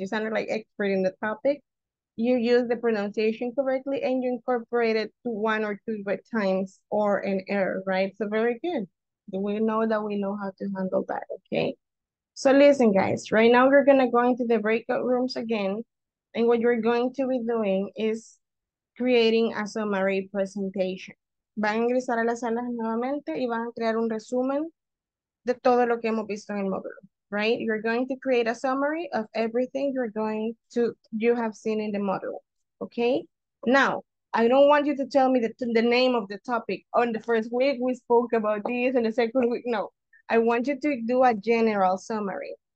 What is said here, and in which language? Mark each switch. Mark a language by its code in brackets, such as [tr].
[en] You sounded like expert in the topic. You used the pronunciation correctly, and you incorporated one or two times or an error, right? So very good. We know that we know how to handle that, okay? So listen, guys, right now we're going to go into the breakout rooms again. And what you're going to be doing is creating a summary presentation. [es] Van a ingresar a las salas nuevamente y van a crear un resumen de todo lo que hemos visto en el módulo, right? [en] You're going to create a summary of everything you have seen in the module, okay? Now, I don't want you to tell me the name of the topic. On the first week, we spoke about this, and the second week, no. I want you to do a general summary.